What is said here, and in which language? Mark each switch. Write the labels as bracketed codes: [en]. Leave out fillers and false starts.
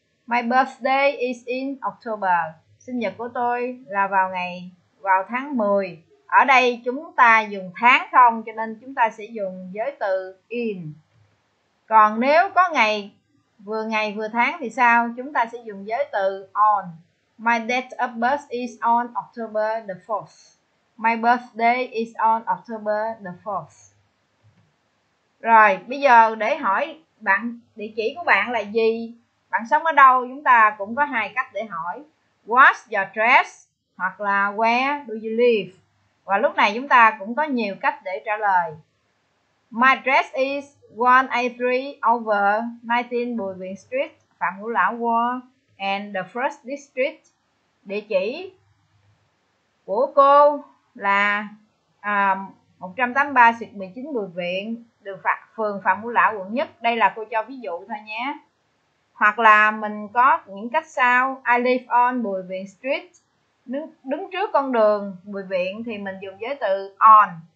[en] My birthday is in October. [vi] Sinh nhật của tôi là vào tháng 10. Ở đây chúng ta dùng tháng không, cho nên chúng ta sẽ dùng giới từ in. Còn nếu có ngày vừa tháng thì sao? Chúng ta sẽ dùng giới từ on. [en] My date of birth is on October the 4th. My birthday is on October the 4th. [vi] Rồi, bây giờ để hỏi bạn địa chỉ của bạn là gì? Bạn sống ở đâu? Chúng ta cũng có hai cách để hỏi. [en] What's your address? [vi] Hoặc là [en] where do you live? [vi] Và lúc này chúng ta cũng có nhiều cách để trả lời. [en] My address is 183 over 19 Bùi Viện Street, Phạm Ngũ Lão Ward and the First District. [vi] Địa chỉ của cô là 183 xịt 19 Bùi Viện, đường phường Phạm Ngũ Lão, quận Nhất. Đây là cô cho ví dụ thôi nhé. Hoặc là mình có những cách sau. [en] I live on Bùi Viện Street. [vi] Đứng trước con đường Bùi Viện thì mình dùng giới từ on.